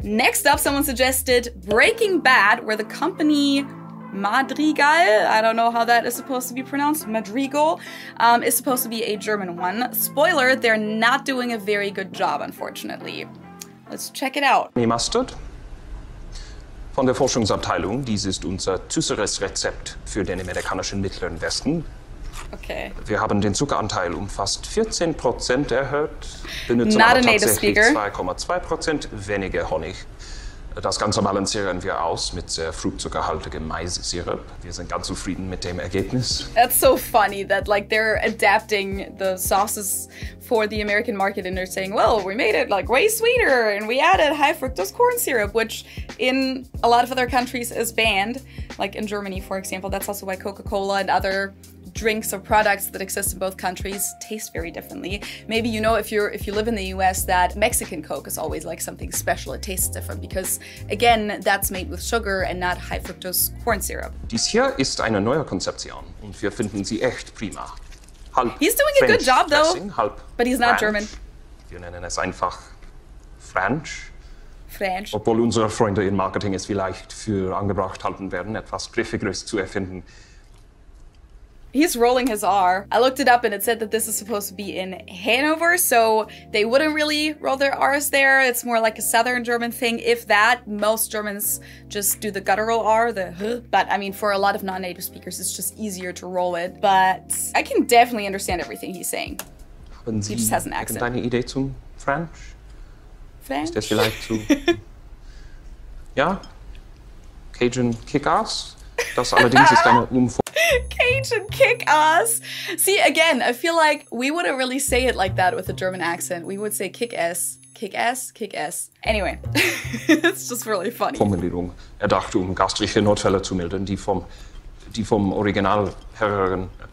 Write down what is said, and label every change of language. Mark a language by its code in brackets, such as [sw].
[en] Next up, someone suggested Breaking Bad, where the company Madrigal, I don't know how that is supposed to be pronounced, Madrigal, is supposed to be a German one. Spoiler, they're not doing a very good job, unfortunately. Let's check it out. Me Mustard. [de] Von der Forschungsabteilung, dies ist unser süßeres Rezept für den amerikanischen Mittleren Westen. Okay. Wir haben den Zuckeranteil um fast 14% erhöht, benutzen not aber tatsächlich 2,2% weniger Honig. Das Ganze balancieren wir aus mit sehr fruchtzuckerhaltigem Mais-Sirup. Wir sind ganz zufrieden mit dem Ergebnis. [en] That's so funny that like they're adapting the sauces for the American market and they're saying, well, we made it like way sweeter and we added high fructose corn syrup, which in a lot of other countries is banned. Like in Germany, for example, that's also why Coca-Cola and other drinks or products that exist in both countries taste very differently. Maybe you know if you live in the US that Mexican Coke is always like something special. It tastes different because, again, that's made with sugar and not high fructose corn syrup. [de] Dies hier ist eine neue Konzeption und wir finden sie echt prima. [en] Halb he's doing French a good job though, [de] dressing, halb [en] but he's not French. German. [de] Wir nennen es einfach French. French. Obwohl unsere Freunde im Marketing es vielleicht für angebracht halten werden, etwas Griffigeres zu erfinden. [en] He's rolling his R. I looked it up and it said that this is supposed to be in Hanover, so they wouldn't really roll their R's there. It's more like a southern German thing, if that. Most Germans just do the guttural R, the H. But I mean, for a lot of non-native speakers, it's just easier to roll it. But I can definitely understand everything he's saying. [de] Haben Sie, [en] he just has an accent. [de] Haben Sie eine Idee zum French? French? Ist das vielleicht zu... ja? Cajun kick-ass? Das allerdings ist eine [en] Cajun kick-ass! See, again, I feel like we wouldn't really say it like that with a German accent. We would say kick-ass. Kick-ass? Kick-ass. Anyway, it's just really funny. [de] Formulierung erdacht, um gastrische Notfälle zu mildern, die vom Original herrühren.